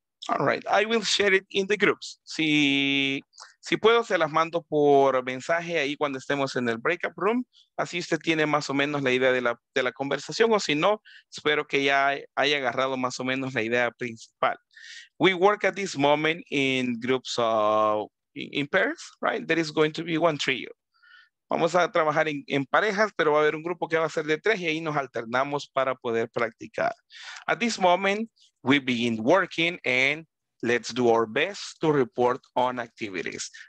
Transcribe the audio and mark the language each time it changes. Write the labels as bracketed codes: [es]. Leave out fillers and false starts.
[en] All right, I will share it in the groups. [es] Si puedo, se las mando por mensaje ahí cuando estemos en el breakout room. Así usted tiene más o menos la idea de la conversación, o si no, espero que ya haya agarrado más o menos la idea principal. [en] We work at this moment in groups of, in pairs, right? There is going to be one trio. [es] Vamos a trabajar en parejas, pero va a haber un grupo que va a ser de tres y ahí nos alternamos para poder practicar. [en] At this moment, we begin working and let's do our best to report on activities.